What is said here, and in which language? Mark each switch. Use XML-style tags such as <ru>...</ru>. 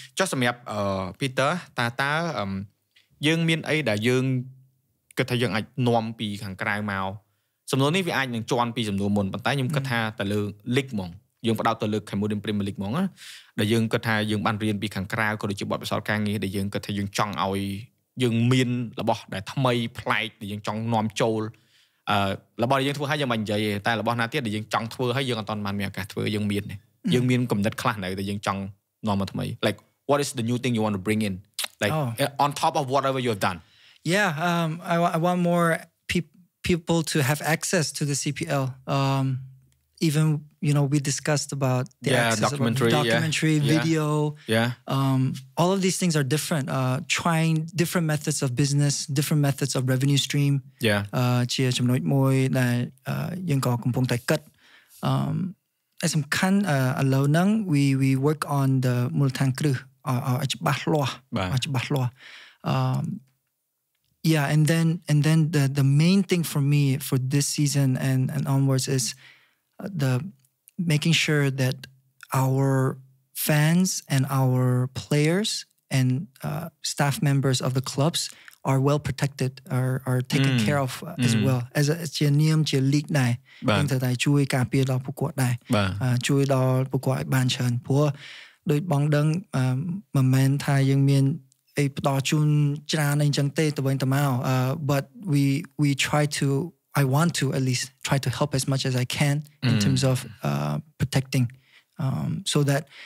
<km>ចុះសម្រាប់ពីទ័រតាតាយើងមានអីដែលយើងគិតថាយើងអាចនាំពីខាងក្រៅមកសំណួរនេះវាអាចនឹងជន់ពីសំណួរមុនប៉ុន្តែខ្ញុំគិតថាទៅលើលីកហ្មងយើងផ្ដោតទៅលើ Cambodian Premier League ហ្មងណាដែលយើងគិតថាយើងបានរៀនពីខាងក្រៅក៏ដូចជាបទពិសោធន៍ការងារដែលយើងគិតថាយើងចង់ឲ្យយើងមានរបស់ដែលថ្មីប្លែកដែលយើងចង់នាំចូល របស់ដែលយើងធ្វើឲ្យយើងមិននិយាយទេតែរបស់ណាទៀតដែលយើងចង់ធ្វើឲ្យយើងអត់តាន់បានមានឱកាសធ្វើយើងមានយើងមានកំណត់ខ្លះនៅតែយើងចង់នាំមកថ្មី</km> <en>like what is the new thing you want to bring in like on top of whatever you've done yeah I want more people to have access to the CPL even you know we discussed about the access documentary yeah. video yeah all of these things are different trying different methods of business different methods of revenue stream yeah</en> <km>ជាចំណុចមួយដែលយើងក៏កំពុងតែគិតឯសំខាន់ alone ng</km> <en>we work on the</en> <km>មូលដ្ឋានគ្រឹះឲ្យច្បាស់លាស់</km> <en>ឲ្យច្បាស់លាស់ yeah and then the main thing for me for this season and onwards is the making sure that our fans and our players and staff members of the clubs are well protected are taken care of as well as a</en> <km>ជានាមជាលីកដែរ ទាំងតែជួយការពារដល់ពួកគាត់ដែរជួយដល់ពួកគាត់ឲ្យបានច្រើនព្រោះដូចបងដឹងមិនមែនថាយើងមានអីផ្ដល់ជូនច្រើនអីអញ្ចឹងទេទៅវិញទៅមក</km> <en>but we try to I want to at least try to help as much as I can in terms of protecting so that</en>